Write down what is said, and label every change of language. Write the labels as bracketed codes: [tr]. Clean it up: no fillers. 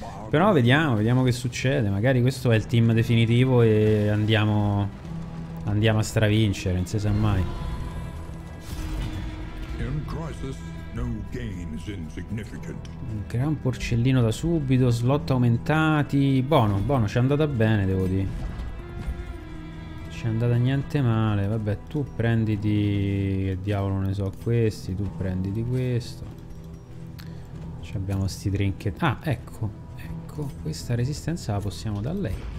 [it] Però vediamo che succede. Magari questo è il team definitivo e andiamo a stravincere, non si sa mai. [en] In crisis. No gain is insignificant. [it] Un gran porcellino da subito, slot aumentati. Buono, buono, ci è andata bene, devo dire. Ci c'è andata niente male. Vabbè, tu prenditi, che diavolo ne so, questi, tu prenditi questo. Ci abbiamo sti trinket. Ah, ecco, ecco, questa resistenza la possiamo dare a lei.